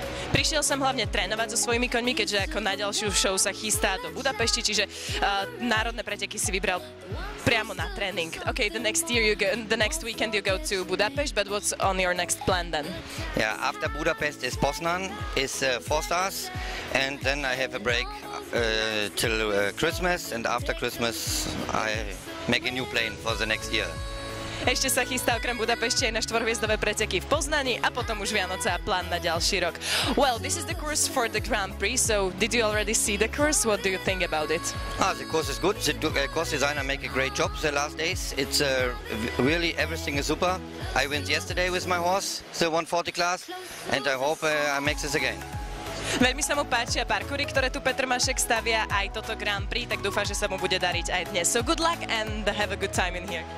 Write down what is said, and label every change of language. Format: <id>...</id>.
<sk>Prišiel som hlavne trénovať so svojimi koňmi, keďže ako na ďalšiu show sa chystá do Budapešti, čiže národné preteky si vybral priamo na tréning.</sk> <en>Okay, the next weekend you go to Budapest, but what's on your next plan then? Yeah, after Budapest is Poznan, is Four Stars, and then I have a break till Christmas, and after Christmas I make a new plan for the next year.</en> <sk>Ešte sa chystá okrem Budapešti aj na štvorhviezdové preteky v Poznani a potom už Vianoce a plán na ďalší rok.</sk> <en>Well, this is the course for the Grand Prix, so did you already see the course? What do you think about it? The course is good. The course designer make a great job the last days. It's really everything is super. I went yesterday with my horse, the 140 class, and I hope I make this again.</en> <sk>Veľmi sa mu páčia parkoury, ktoré tu Petr Mašek stavia, aj toto Grand Prix, tak dúfam, že sa mu bude dariť aj dnes.</sk> <en>So good luck and have a good time in here.</en>